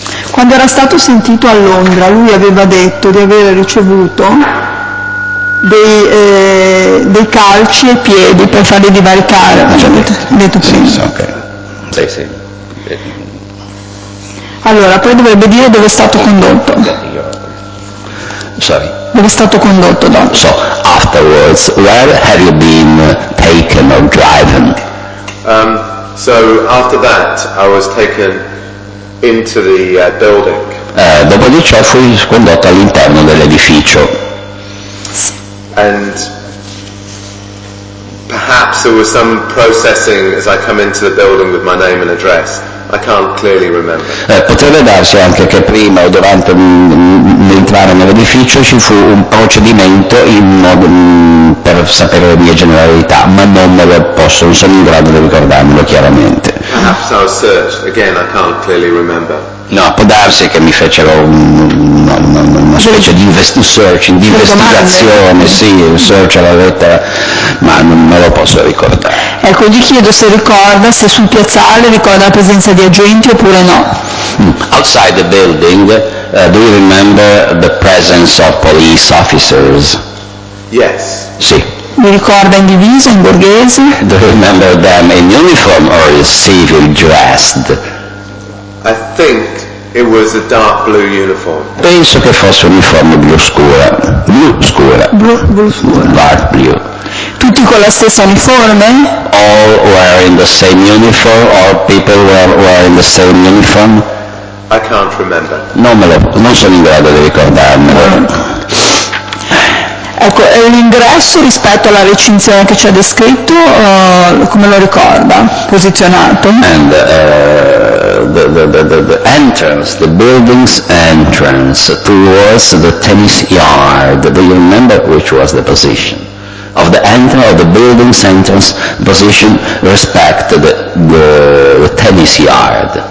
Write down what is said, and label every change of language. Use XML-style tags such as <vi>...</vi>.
<it>Quando era stato sentito a Londra, lui aveva detto di aver ricevuto dei calci ai piedi per farli divaricare, detto prima. Sì, ok. Sì, sì. Allora, poi dovrebbe dire dove è stato condotto.</it> <en>Sorry.</en> <it>Dove è stato condotto dopo.</it> <en>So, afterwards, where have you been taken or driven? So, after that, I was taken into the building.</en> <it>Dopo di ciò fui condotto all'interno dell'edificio.</it> <en>And perhaps there was some processing as I come into the building with my name and address. I can't clearly remember.</en> <it>Potrebbe darsi anche che prima o durante l'entrare nell'edificio ci fu un procedimento in modo per sapere le mie generalità, ma non me lo posso, non sono in grado di ricordarmelo chiaramente.</it> <en>Perhaps I was searched. Again, I can't clearly remember.</en> <it>No, può darsi che mi fecero una specie di search, di investigazione, sì, un search alla lettera, ma non me lo posso ricordare. Ecco, gli chiedo se ricorda, se sul piazzale ricorda la presenza di agenti oppure no.</it> <en>Outside the building, do you remember the presence of police officers? Yes.</en> <it>Sì. Mi ricorda in divisa, in borghese?</it> <en>Do you remember them in uniform or civil dressed? I think It was a dark blue uniform.</en> <it>Penso che fosse un'uniforme blu scura. Blu scura. Blu scura.</it> <en>Dark blue.</en> <it>Tutti con la stessa uniforme?</it> <en>All wearing the same uniform, or people were wearing the same uniform? I can't remember.</en> <it>Non sono in grado di ricordarmelo. Ecco, è un ingresso rispetto alla recinzione che ci ha descritto, come lo ricorda, posizionato?</it> <en>And the entrance, the building's entrance towards the tennis yard. Do you remember which was the position? Of the entrance of the building's entrance position respect to the tennis yard.</en>